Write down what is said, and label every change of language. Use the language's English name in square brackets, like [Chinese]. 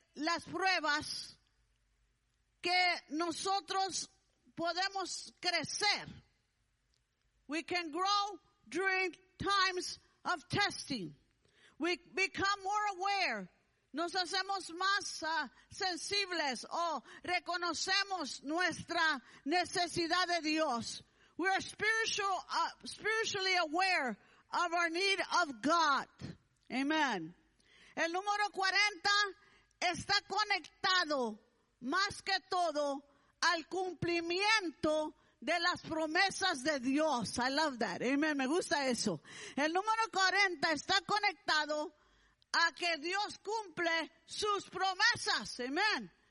[Spanish] las pruebas que nosotros podemos crecer. [English] We can grow during times of testing. We become more aware. [Spanish] Nos hacemos más sensibles o reconocemos nuestra necesidad de Dios. [English] We are spiritually aware of our need of God. Amen. [Spanish] El número 40 está conectado más que todo al cumplimiento de las promesas de Dios. [English] I love that. [Spanish] Amen. Me gusta eso. El número 40 está conectado a que Dios cumple sus promesas. Amen.